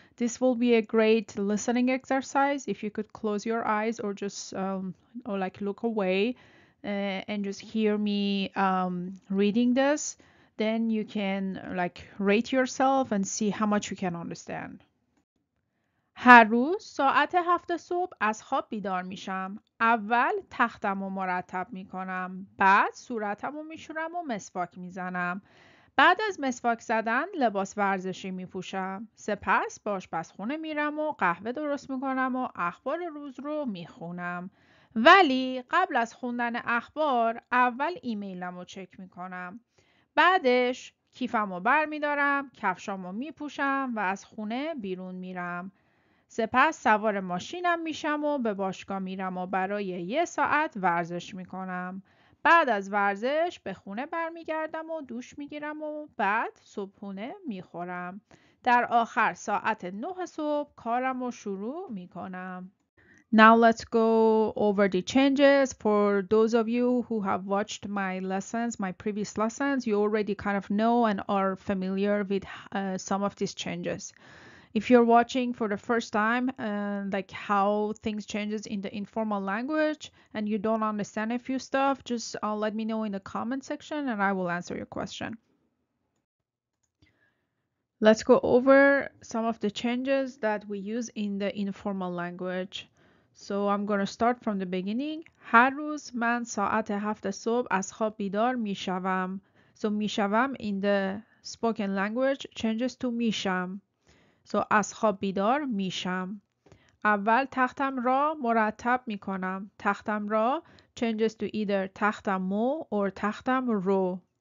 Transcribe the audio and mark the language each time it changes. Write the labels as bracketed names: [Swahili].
[English] This will be a great listening exercise if you could close your eyes or just or like look away and just hear me reading this. Then you can like rate yourself and see how much you can understand. [Persian] هر روز ساعت 7 صبح از خواب بیدار میشم. اول تختم رو مرتب میکنم. بعد صورتم رو میشورم و مسواک میزنم. بعد از مسواک زدن لباس ورزشی میپوشم. سپس به آشپزخونه میرم و قهوه درست میکنم و اخبار روز رو میخونم. ولی قبل از خوندن اخبار اول ایمیلم رو چک میکنم. بعدش کیفم رو برمیدارم، کفشام رو میپوشم و از خونه بیرون میرم. سپس سوار ماشینم میشم و به باشگاه میرم و برای یه ساعت ورزش میکنم. بعد از ورزش به خونه برمیگردم و دوش میگیرم و بعد صبحونه میخورم. در آخر ساعت 9 صبح کارم رو شروع میکنم. [English] Now let's go over the changes. For those of you who have watched my lessons, my previous lessons, you already kind of know and are familiar with some of these changes. If you're watching for the first time, like how things changes in the informal language and you don't understand a few stuff, just let me know in the comment section and I will answer your question. Let's go over some of the changes that we use in the informal language. So I'm going to start from the beginning. [Persian] هر روز من ساعت 7 صبح از خواب بیدار میشوم. [English] So میشوم in the spoken language changes to میشم. [Persian] So از خواب بیدار میشم. اول تختم را مرتب میکنم. تختم را [English] changes to either [Persian] تختمو or تختم رو.